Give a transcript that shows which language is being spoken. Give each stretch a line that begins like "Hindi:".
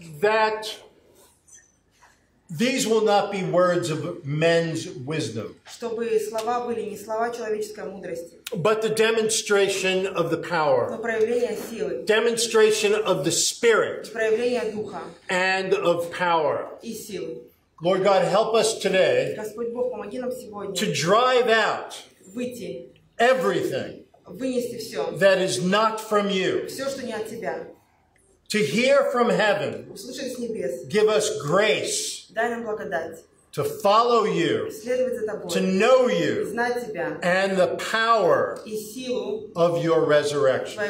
English: That these will not be words of men's wisdom,
Russian: чтобы слова были не слова человеческой мудрости,
English: but the demonstration of the power,
Russian: но проявление силы,
English: demonstration of the spirit,
Russian: проявление духа,
English: and of power,
Russian: и силы.
English: Lord God, help us today,
Russian: Господь Бог, помоги нам сегодня,
English: to drive out everything that is not from you,
Russian: все, что не от тебя.
English: To hear from heaven, give us grace to follow you, to know you, and the power of your resurrection.